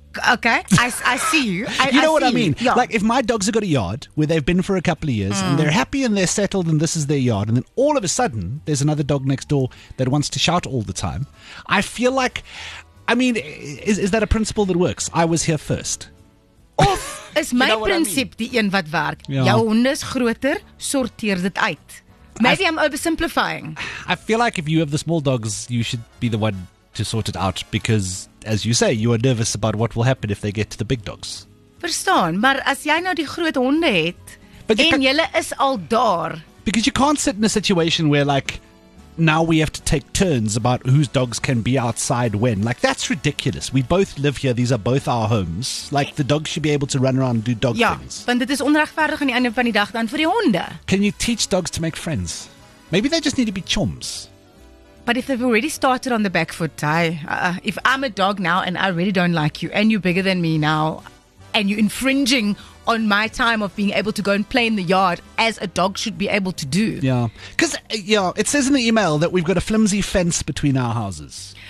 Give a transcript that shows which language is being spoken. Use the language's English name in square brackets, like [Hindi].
[English] Okay, I see you. I mean? Yeah. Like, if my dogs have got a yard where they've been for a couple of years and they're happy and they're settled and this is their yard, and then all of a sudden there's another dog next door that wants to shout all the time, I feel like, I mean, is that a principle that works? I was here first. [Afrikaans] Of is my principe die een wat werk? Jou hond is groter, sorteer dit uit. [English] Maybe I'm oversimplifying. I feel like if you have the small dogs, you should be the one to sort it out because, as you say, you are nervous about what will happen if they get to the big dogs. [Afrikaans] Verstaan, maar as jy nou die groot honde het, en julle is al daar. [English] Because you can't sit in a situation where, like, now we have to take turns about whose dogs can be outside when. Like, that's ridiculous. We both live here. These are both our homes. Like, the dogs should be able to run around and do dog things. [Afrikaans] Ja, want dit is onregverdig aan die einde van die dag dan vir die honde. [English] Can you teach dogs to make friends? Maybe they just need to be chums. But if they've already started on the back foot, if I'm a dog now and I really don't like you and you're bigger than me now and you're infringing on my time of being able to go and play in the yard as a dog should be able to do. Yeah, because it says in the email that we've got a flimsy fence between our houses.